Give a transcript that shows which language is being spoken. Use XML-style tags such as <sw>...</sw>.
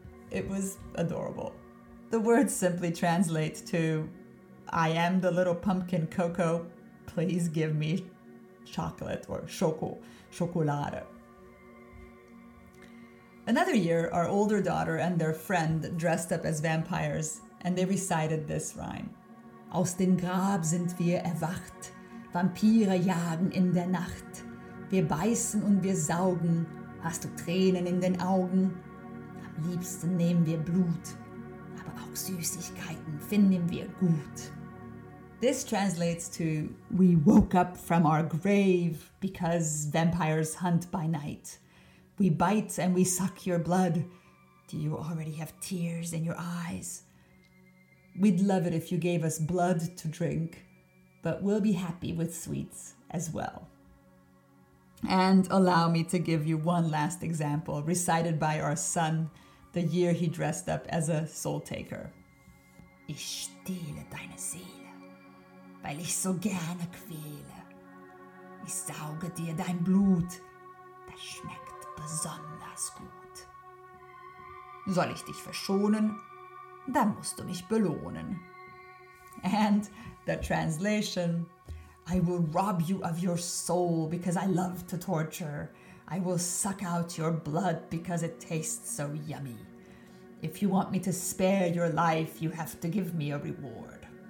<en>It was adorable. The words simply translate to, I am the little pumpkin Coco, please give me chocolate or Schoko, Schokolade. Another year, our older daughter and their friend dressed up as vampires, and they recited this rhyme.</en> <de>Aus dem Grab sind wir erwacht. Vampire jagen in der Nacht. Wir beißen und wir saugen. Hast du Tränen in den Augen? Am liebsten nehmen wir Blut. Aber auch Süßigkeiten finden wir gut.</de> <en>This translates to, we woke up from our grave because vampires hunt by night. We bite and we suck your blood. Do you already have tears in your eyes? We'd love it if you gave us blood to drink, but we'll be happy with sweets as well. And allow me to give you one last example recited by our son the year he dressed up as a soul taker.</en> <de>Ich stehle deine Seele, weil ich so gerne quäle. Ich sauge dir dein Blut, das schmeckt besonders gut. Soll ich dich verschonen, dann musst du mich belohnen.</de> <en>And the translation, I will rob you of your soul because I love to torture. I will suck out your blood because it tastes so yummy. If you want me to spare your life, you have to give me a reward.</en>